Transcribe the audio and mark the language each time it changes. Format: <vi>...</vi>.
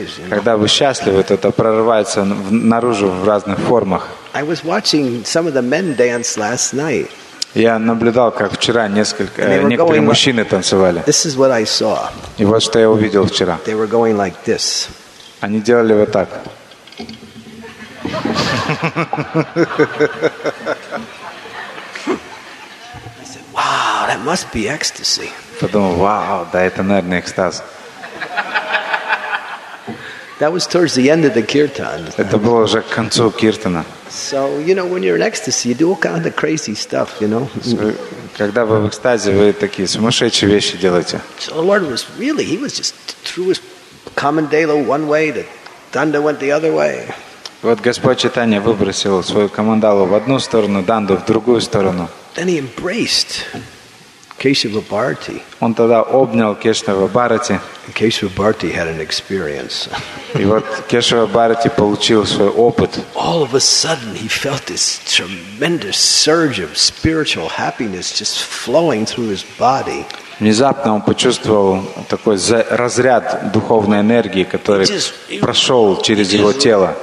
<ru>Когда вы счастливы, то это прорывается наружу в разных формах.</ru> <en>I was watching some of the men dance last night.</en> <ru>Я наблюдал, как вчера некоторые мужчины танцевали.</ru> <en>This is what I saw.</en> <ru>И вот что я увидел вчера.</ru> <en>They were going like this.</en> <ru>Они делали вот так.</ru> <en>I said, "Wow, that must be ecstasy."</en> <ru>Подумал, вау, да это, наверное, экстаз.</ru> <en>That was towards the end of the kirtan.</en> <ru>Это было уже к концу киртана.</ru> <en>So, you know, when you're in ecstasy, you do all kind of crazy stuff, you know.</en> <ru>Когда вы в экстазе, вы такие сумасшедшие вещи делаете.</ru> <en>So the Lord was really, he was just threw his commandalo one way, the danda went the other way.</en> <ru>Вот Господь Чайтанья выбросил свою командалу в одну сторону, данду в другую сторону.</ru> <en>Then he embraced Keshava Bharati.</en> <ru>Он тогда обнял Кешава Бхарати.</ru> <en>Keshava Bharati had an experience.</en> <ru>И вот Кешава Бхарати получил свой опыт.</ru> <en>All of a sudden he felt this tremendous surge of spiritual happiness just flowing through his body.</en> <ru>Внезапно он почувствовал такой разряд духовной энергии, который прошел через его тело.</ru>